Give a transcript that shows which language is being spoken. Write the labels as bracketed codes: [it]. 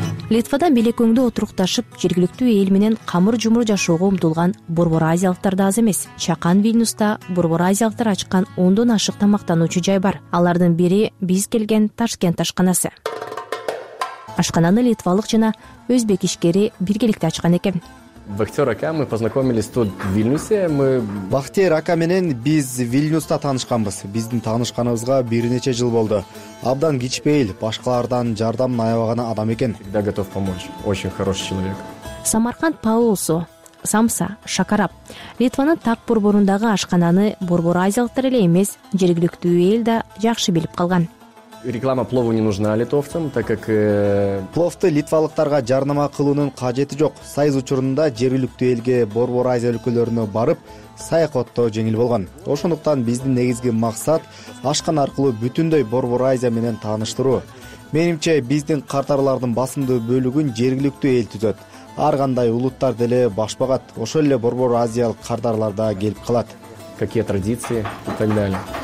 [ky] Литвада Билек өңдө отурукташып, жергиликтүү эл менен камыр жумур жашоого умтулган борбор азиялыктар да аз эмес. Чакан Вильнюста борбор азиялыктар ачкан 10 ашык тамактануучу жай бар. Алардын бири биз келген Ташкент ашканасы. Ашкананы литвалык жана өзбек ишкери биргеликте ачкан экен. [ru] Бахтер ака, мы познакомились тут в Вильнюсе. [ky] Бахтер ака менен биз Вильнюста таанышканбыз. Биздин таанышканыбызга бир нече жыл болду. Абдан кичпейил, башкалардан жардам аябаган адам экен. [ru] Всегда готов помочь. Очень хороший человек. [ky] Самарканд Паулусу, Самса, Шакарап. Литванын так борборундагы ашкананы борбор азиялыктар эле эмес, жергиликтүү эл да жакшы билип калган. [ru] Реклама плову не нужна литовцам, так как [ky] пловту литвалыктарга жарнама кылуунун кажети жок. Союз учурунда жергиликтүү элге борбор Азия өлкөлөрүнө барып, саякаттоо жеңил болгон. Ошондуктан биздин негизги максат ашкана аркылуу бүтүндөй борбор Азия менен тааныштыруу. Менимче биздин картарлардын басымдуу бөлүгүн жергиликтүү эл түзөт. Ар кандай улуттар деле башпагат. Ошол эле борбор азиялык картарлар да келип калат. [ru] Какие традиции и так далее.